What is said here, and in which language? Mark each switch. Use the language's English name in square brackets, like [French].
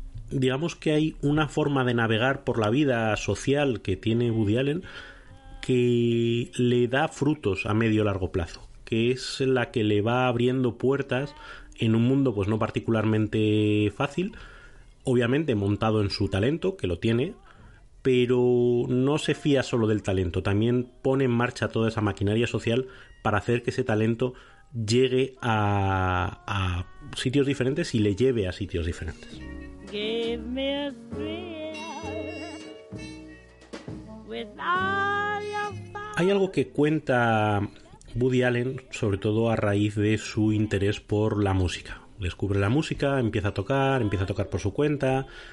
[Spanish] Digamos que hay una forma de navegar por la vida social que tiene Woody Allen que le da frutos a medio largo plazo, que es la que le va abriendo puertas en un mundo pues no particularmente fácil, obviamente montado en su talento, que lo tiene, pero no se fía solo del talento, también pone en marcha toda esa maquinaria social para hacer que ese talento llegue a sitios diferentes y le lleve a sitios diferentes. [English] Give me a thrill with all your fire. [Spanish] Hay algo que cuenta Woody Allen, sobre todo a raíz de su interés por la música. Descubre la música, empieza a tocar por su cuenta.